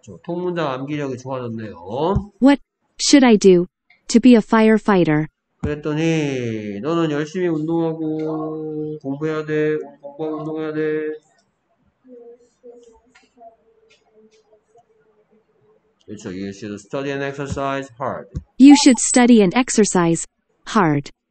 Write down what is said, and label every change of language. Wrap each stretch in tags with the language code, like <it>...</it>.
<ko>저 통문자 암기력이 좋아졌네요.</ko> <en>What should I do to be a firefighter?</en> <ko>그랬더니 너는 열심히 운동하고 공부해야 돼. 공부하고 운동해야 돼.</ko> <en>그렇죠. You should study and exercise hard. You should study and exercise hard.</en>